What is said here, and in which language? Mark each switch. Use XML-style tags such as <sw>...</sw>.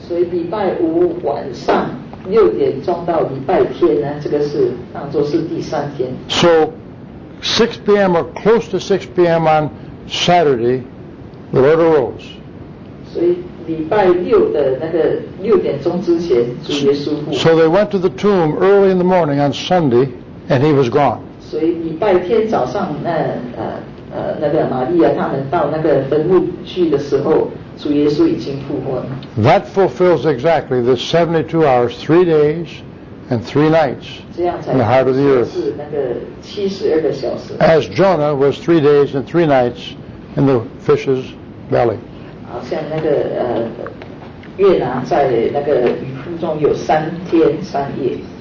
<zh>所以礼拜五晚上六点钟到礼拜天呢，这个是当作是第三天。</zh> <en>So 6 p.m. or close to 6 p.m. on Saturday, the Lord arose.</en> <zh>所以礼拜六的那个六点钟之前，主耶稣复活。</zh> <en>So they went to the tomb early in the morning on Sunday, and he was gone.</en> <zh>所以礼拜天早上那那个玛利亚他们到那个坟墓去的时候，主耶稣已经复活了。</zh> <en>That fulfills exactly the 72 hours, 3 days and 3 nights in the heart of the earth.</en> <zh>这样才是那个七十二个小时。</zh> <en>As Jonah was 3 days and 3 nights in the fish's belly.</en> <zh>好像那个越南在那个渔夫中有三天三夜。</zh>